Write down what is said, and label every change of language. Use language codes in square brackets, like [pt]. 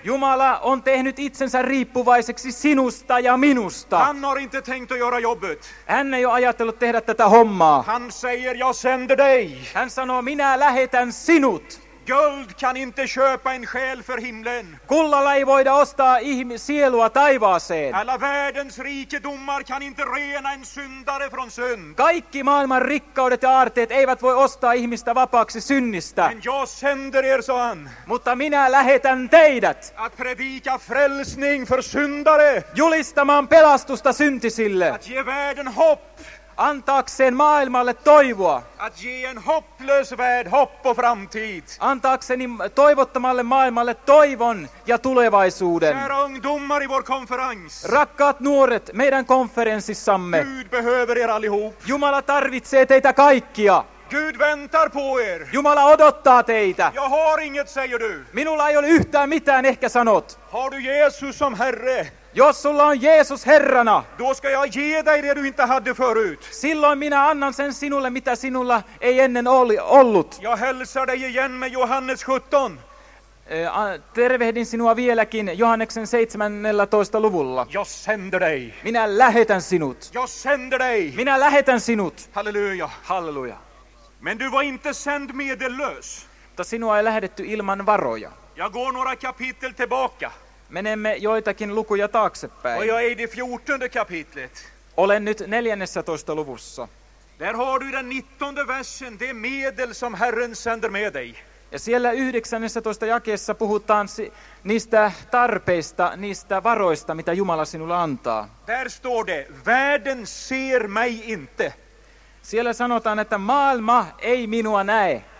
[fi] Jumala on tehnyt itsensä riippuvaiseksi sinusta ja minusta. [sv] Han har inte tänkt att göra jobbet. [fi] Hän ei ole ajatellut tehdä tätä hommaa. [sv] Han säger jag sänder dig. [fi] Hän sanoo minä lähetän sinut. [sv] Guld kan inte köpa en själ för himlen. [fi] Kullalla ei voida ostaa sielua taivaaseen. [sv] Alla världens rikedomar kan inte rena en syndare från synd. [fi] Kaikki maailman rikkaudet ja aarteet eivät voi ostaa ihmistä vapaaksi synnistä. [sv] Men jag sänder er, sa han. [fi] Mutta minä lähetän teidät. [sv] Att predika frälsning för syndare. [fi] Julistamaan pelastusta syntisille. [sv] Att ge världen hopp. [fi] Antaakseen maailmalle toivoa. [sv] Att ge en hopplös värld hopp och framtid. [fi] Antaakseni toivottomalle maailmalle toivon ja tulevaisuuden. [sv] Kära ungdomar i vår konferens. [fi] Rakkaat nuoret meidän konferenssissamme. [sv] Gud behöver er allihop. [fi] Jumala tarvitsee teitä kaikkia. [sv] Gud väntar på er. [fi] Jumala odottaa teitä. [sv] Jag har inget, säger du. [fi] Minulla ei ole yhtään mitään, ehkä sanot. [sv] Har du Jesus som Herre? [fi] Jos sulla on Jeesus Herrana, [sv] då ska jag ge dig det du inte hade förut. [fi] Silloin minä annan sen sinulle, mitä sinulla ei ennen ollut. [sv] Jag hälsar dig igen med Johannes 17. [fi] Tervehdin sinua vieläkin Johanneksen 17. luvulla. [sv] Jag sänder dig. [fi] Minä lähetän sinut. [sv] Jag sänder dig. [fi] Minä lähetän sinut. [sv] Halleluja. [fi] Halleluja. [sv] Men du var inte sänd medellös. [fi] Mutta sinua ei lähdetty ilman varoja. [sv] Jag går några kapitel tillbaka. [fi] Menemme joitakin lukuja taaksepäin. [sv] Och jag är i det 14 kapitlet. [fi] Olen nyt 14 luvussa. [sv] Där har du den 19 versen, det medel som Herren sänder med dig. [fi] Ja siellä 19 jakeessa puhutaan niistä tarpeista, niistä varoista, mitä Jumala sinulle antaa. [sv] Där står det, världen ser mig inte. [fi] Siellä sanotaan, että maailma ei minua näe.